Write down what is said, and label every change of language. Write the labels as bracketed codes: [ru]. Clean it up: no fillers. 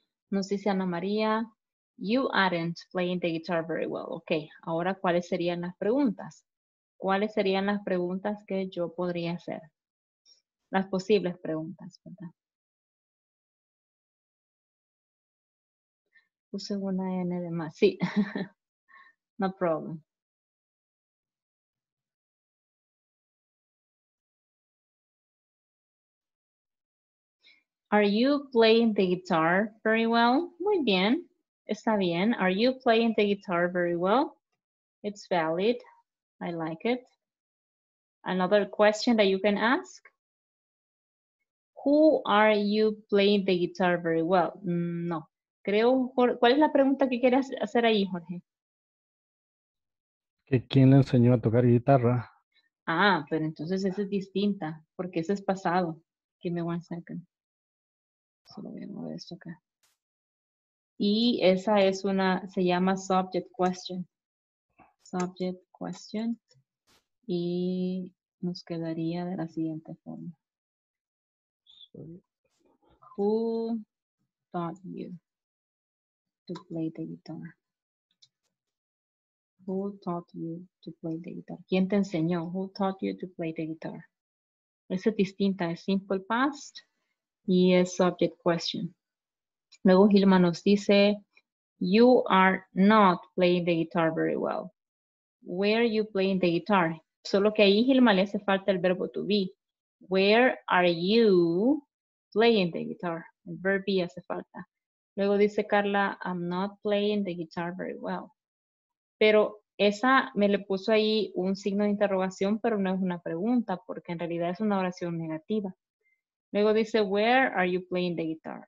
[es] Nos dice [en] Ana María, you aren't playing the guitar very well. [es] Ok, ahora, ¿cuáles serían las preguntas? ¿Cuáles serían las preguntas que yo podría hacer? Las posibles preguntas, ¿verdad? Puse una N de más. Sí, [en] no problem. Are you playing the guitar very well? [es] Muy bien. Está bien. [en] Are you playing the guitar very well? It's valid. I like it. Another question that you can ask. Who are you playing the guitar very well? [es] No. Creo, ¿cuál es la pregunta que quieres hacer ahí, Jorge? ¿Que quién le enseñó a tocar guitarra? Ah, pero entonces esa es distinta, porque ese es pasado. [en] Give me one second. [es] Solo voy a mover esto acá. Y esa es una, se llama subject question. Subject question. Y nos quedaría de la siguiente forma. [en] Who taught you to play the guitar? Who taught you to play the guitar? [es] ¿Quién te enseñó? [en] Who taught you to play the guitar? [es] Esa es distinta, es simple past y es subject question. Luego Gilma nos dice, [en] you are not playing the guitar very well. Where are you playing the guitar? [es] Solo que ahí Gilma le hace falta el verbo to be. [en] Where are you playing the guitar? [es] El verbo be hace falta. Luego dice [en] Carla, I'm not playing the guitar very well. [es] Pero esa me le puso ahí un signo de interrogación, pero no es una pregunta, porque en realidad es una oración negativa. Luego dice, [en] where are you playing the guitar?